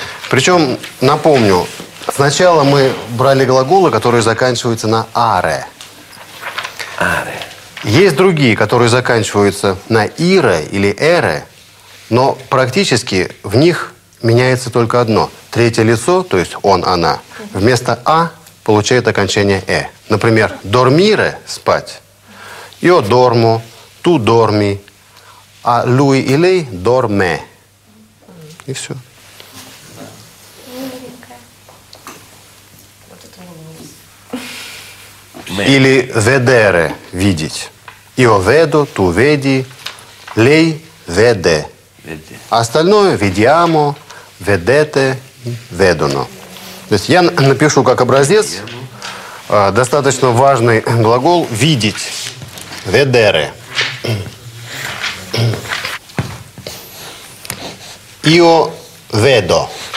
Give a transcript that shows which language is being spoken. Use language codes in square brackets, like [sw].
[ru] Причем, напомню, сначала мы брали глаголы, которые заканчиваются на «аре». «Аре». Есть другие, которые заканчиваются на «ире» или «эре», но практически в них меняется только одно. Третье лицо, то есть «он», «она», вместо «а» получает окончание «э». Например, «дормире» – «спать», [it] «io dormo», «tu dormi», а «lui» и «lei» – «dorme». [ru] И все. Или «vedere» – «видеть». [it] «Io vedo», «tu vedi», «lei vede». [ru] Остальное [it] – «vediamo», «vedete», «vedono». [ru] То есть я напишу как образец достаточно важный глагол «видеть» – «vedere». [it] «Io vedo».